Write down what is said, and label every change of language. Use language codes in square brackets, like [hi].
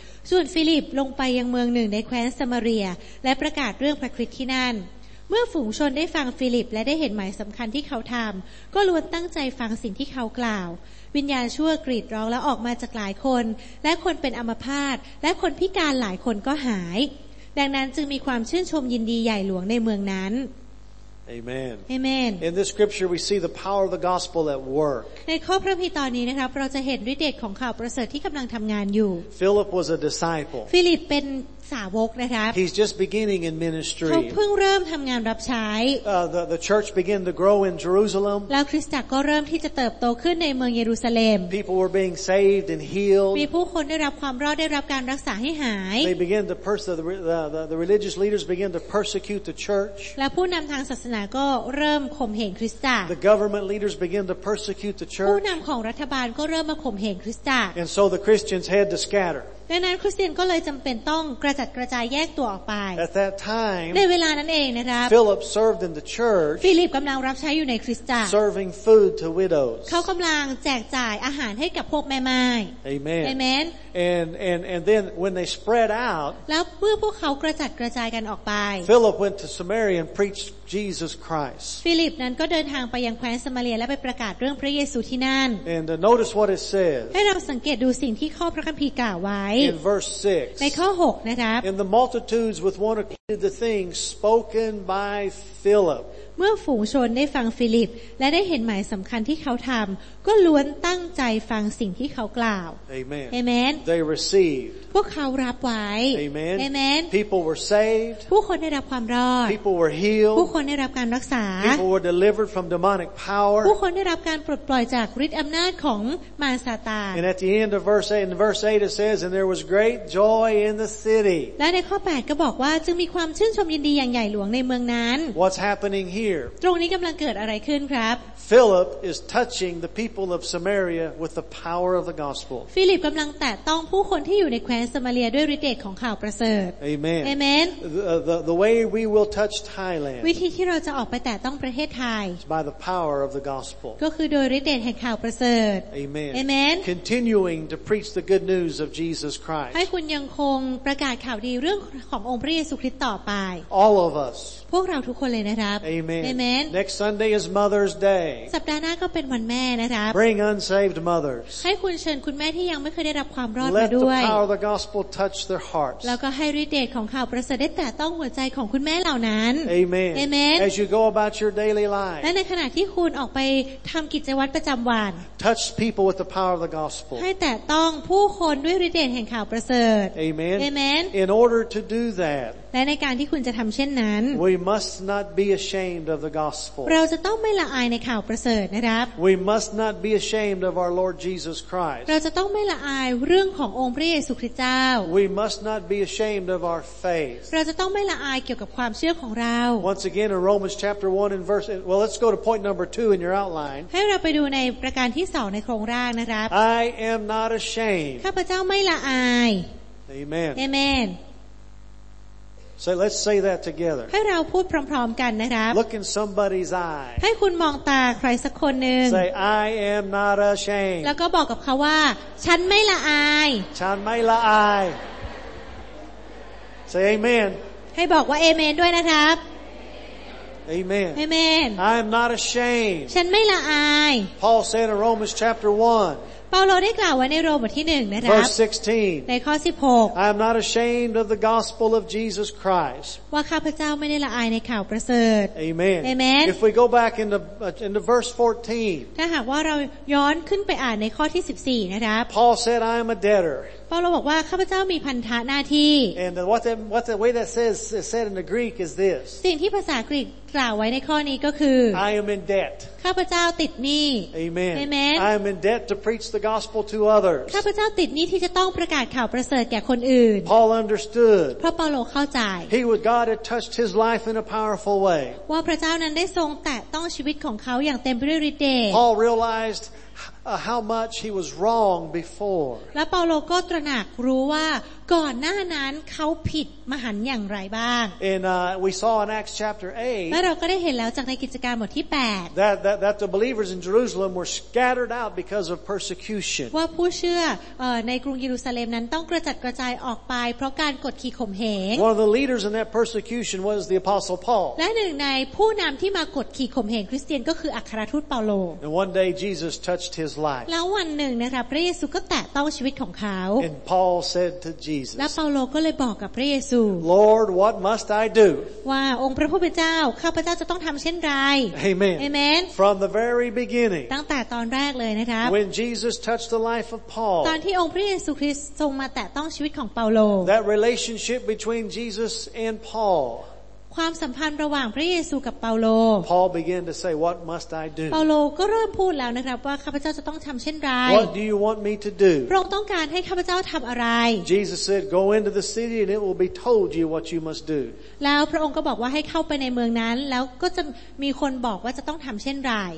[th] ส่วนฟิลิปลงไปยังเมืองหนึ่งในแคว้นซามาเรียและประกาศเรื่องพระคริสต์ที่นั่นเมื่อฝูงชนได้ฟังฟิลิปและได้เห็นหมายสำคัญที่เขาทำก็ล้วนตั้งใจฟังสิ่งที่เขากล่าววิญญาณชั่วกรีดร้องแล้วออกมาจากหลายคนและคนเป็นอัมพาตและคนพิการหลายคนก็หายดังนั้นจึงมีความชื่นชมยินดีใหญ่หลวงในเมืองนั้น [en] Amen. Amen. In this scripture we see the power of the gospel at work. [th] ในข้อพระคัมภีร์ตอนนี้นะครับเราจะเห็นฤทธิ์เดชของข่าวประเสริฐที่กำลังทำงานอยู่ [en] Philip was a disciple. [th] ฟิลิปเป็นสาวกนะครับ [en] He's just beginning in ministry. [th] เขาเพิ่งเริ่มทำงานรับใช้ [en] The church began to grow in Jerusalem. [th] แล้วคริสตจักรก็เริ่มที่จะเติบโตขึ้นในเมืองเยรูซาเล็ม [en] People were being saved and healed. [th] มีผู้คนได้รับความรอดได้รับการรักษาให้หาย [en] They began to the religious leaders began to persecute the church. [th] และผู้นำทางศาสนาก็เริ่มข่มเหงคริสตจักร [en] The government leaders began to persecute the church. [th] ผู้นำของรัฐบาลก็เริ่มมาข่มเหงคริสตจักร [en] And so the Christians had to scatter. [th] ดังนั้นคริสเตียนก็เลยจำเป็นต้องกระจัดกระจายแยกตัวออกไป [en] At that time, [th] ในเวลานั้นเองนะครับ [en] Philip served in the church [th] ฟิลิปกำลังรับใช้อยู่ในคริสตจักร [en] serving food to widows [th] เขากำลังแจกจ่ายอาหารให้กับพวกแม่ไม้ [en] Amen Amen and then when they spread out [th] แล้วเมื่อพวกเขากระจัดกระจายกันออกไป [en] Philip went to Samaria and preached Jesus Christ [th] ฟิลิปนั้นก็เดินทางไปยังแคว้นซามาเรียและไปประกาศเรื่องพระเยซูที่นั่น [en] And notice what it says [th] ให้เราสังเกตดูสิ่งที่ข้อพระคัมภีร์กล่าวไว้ [en] In verse 6. [th] ในข้อ6นะครับ [en] In the multitudes with one accord the things spoken by Philip. [th] เมื่อฝูงชนได้ฟังฟิลิปและได้เห็นหมายสำคัญที่เขาทำก็ล้วนตั้งใจฟังสิ่งที่เขากล่าว [en] Amen. Amen. They received. [th] พวกเขารับไว้ [en] Amen. Amen. People were saved. [th] ผู้คนได้รับความรอด [en] People were healed. [th] ผู้คนได้รับการรักษา [en] People were delivered from demonic power. [th] ผู้คนได้รับการปลดปล่อยจากฤทธิ์อำนาจของมารซาตาน [en] And at the end of verse 8 it says and there was great joy in the city. [th] และในข้อ8ก็บอกว่าจึงมีค ความชื่นชมยินดีอย่างใหญ่หลวงในเมืองนั้น [en] What's happening here [th] ตรงนี้กําลังเกิดอะไรขึ้นครับ [en] Philip is touching the people of Samaria with the power of the gospel [th] ฟิลิปกําลังแตะต้องผู้คนที่อยู่ในแคว้นซามาเรียด้วยฤทธิ์เดชของข่าวประเสริฐ [en] Amen Amen the way we will touch Thailand [th] วิธีที่เราจะออกไปแตะต้องประเทศไทย [en] by the power of the gospel [th] ก็คือโดยฤทธิ์เดชแห่งข่าวประเสริฐ [en] Amen Amen continuing to preach the good news of Jesus Christ [th] ให้คุณยังคงประกาศข่าวดีเรื่องขององค์พระเยซูคริสต์ต่อไป [en] All of us [th] พวกเราทุกคนเลยนะครับ [en] Amen Amen Next Sunday is Mother's Day [th] สัปดาห์หน้าก็เป็นวันแม่นะครับ [en] Bring unsaved mothers [th] ให้คุณเชิญคุณแม่ที่ยังไม่เคยได้รับความรอดม า ด้วย [en] Let the power of the gospel touch their hearts [th] แล้วก็ให้ฤทธิ์เดชของข่าวประเสริฐแตะต้องหัวใจของคุณแม่เหล่านั้น [en] Amen Amen As you go about your daily life [th] และในขณะที่คุณออกไปทำกิจวัตรประจำวัน [en] Touch people with the power of the gospel [th] ให้แตะต้องผู้คนด้วยฤทธิ์เดชแห่งข่าวประเสริฐ [en] Amen Amen In order to do that [th] และในการที่คุณจะทำเช่นนั้น [en] We must not be ashamed of the gospel [th] เราจะต้องไม่ละอายในข่าวประเสริฐนะครับ [en] We must not be ashamed of our Lord Jesus Christ [th] เราจะต้องไม่ละอายเรื่องขององค์พระเยซูคริสต์เจ้า [en] We must not be ashamed of our faith [th] เราจะต้องไม่ละอายเกี่ยวกับความเชื่อของเรา [en] Once again in Romans chapter 1 and verse Well let's go to point number 2 in your outline [th] ให้เราไปดูในประการที่2ในโครงร่างนะครับ [en] I am not ashamed [th] ข้าพเจ้าไม่ละอาย [en] Amen Amen So let's say that together. [th] ให้เราพูดพร้อมๆกันนะครับ [en] Look in somebody's eye. [th] ให้คุณมองตาใครสักคนหนึ่ง [en] Say I am not ashamed. [th] แล้วก็บอกกับเขาว่าฉันไม่ละอาย ฉันไม่ละอาย [en] Say amen. [th] ให้บอกว่า amen ด้วยนะครับ [en] Amen. Amen. I am not ashamed. [th] ฉันไม่ละอาย [en] Paul said in Romans chapter 1. [th] เปาโลได้กล่าวไว้ในโรมบทที่1นะครับ [en] Verse 16 [th] ในข้อ16 [en] I am not ashamed of the gospel of Jesus Christ [th] ว่าข้าพเจ้าไม่ได้ละอายในข่าวประเสริฐ [en] Amen Amen If we go back into verse 14 [th] ถ้าหากว่าเราย้อนขึ้นไปอ่านในข้อที่14นะครับ [en] Paul said I am a debtor [th] เปาโลบอกว่าข้าพเจ้ามีพันธะหน้าที่ [en] And what the way that says it said in the Greek is this [th] สิ่งที่ภาษากรีกกล่าวไว้ในข้อนี้ก็คือ [en] I am in debt [th] ข้าพเจ้าติดหนี้ [en] Amen Amen I am in debt to preach the gospel to others [th] ข้าพเจ้าติดหนี้ที่จะต้องประกาศข่าวประเสริฐแก่คนอื่น [en] Paul understood [th] เพราะเปาโลเข้าใจ [en] He would God had touched his life in a powerful way [th] ว่าพระเจ้านั้นได้ทรงแตะต้องชีวิตของเขาอย่างเต็มไปด้วยฤทธิ์เดช [en] Paul realizedhow much he was wrong before [th] และเปาโลก็ตระหนักรู้ว่าก่อนหน้านั้นเขาผิดมหันต์อย่างไรบ้าง [en] and we saw in Acts chapter 8 [th] และเราก็ได้เห็นแล้วจากในกิจการบทที่8 [en] that the believers in Jerusalem were scattered out because of persecution [th] ว่าผู้เชื่อในกรุงเยรูซาเล็มนั้นต้องกระจัดกระจายออกไปเพราะการกดขี่ข่มเหง [en] one of the leaders in that persecution was the apostle Paul [th] และหนึ่งในผู้นำที่มากดขี่ข่มเหงคริสเตียนก็คืออัครทูตเปาโล [en] and one day Jesus touched his [th] แล้ววันหนึ่งนะครับพระเยซูก็แตะต้องชีวิตของเขา [en] And Paul said to Jesus [th] และเปาโลก็เลยบอกกับพระเยซู [en] Lord what must I do [th] ว่าองค์พระผู้เป็นเจ้าข้าพเจ้าจะต้องทำเช่นไร [en] Amen Amen From the very beginning [th] ตั้งแต่ตอนแรกเลยนะครับ [en] When Jesus touched the life of Paul [th] ตอนที่องค์พระเยซูคริสต์ทรงมาแตะต้องชีวิตของเปาโล [en] That relationship between Jesus and Paul [th] ความสัมพันธ์ระหว่างพระเยซูกับเปาโล [en] Paul began to say what must I do [th] เปาโลก็เริ่มพูดแล้วนะครับว่าข้าพเจ้าจะต้องทำเช่นไร [en] What do you want me to do [th] พระองค์ต้องการให้ข้าพเจ้าทำอะไร [en] Jesus said go into the city and it will be told you what you must do [th] แล้วพระองค์ก็บอกว่าให้เข้าไปในเมืองนั้นแล้วก็จะมีคนบอกว่าจะต้องทำเช่นไร